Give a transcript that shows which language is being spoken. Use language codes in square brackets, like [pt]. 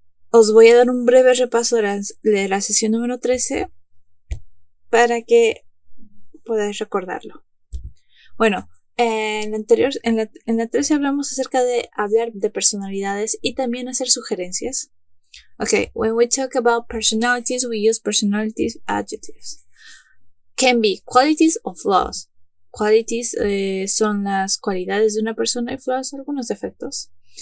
[es] Os voy a dar un breve repaso de la sesión número 13 para que podáis recordarlo. Bueno, en la 13 hablamos acerca de hablar de personalidades y también hacer sugerencias. [en] Okay, when we talk about personalities, we use personalities adjectives. Can be qualities or flaws. [es] Qualities son las cualidades de una persona y flaws algunos defectos.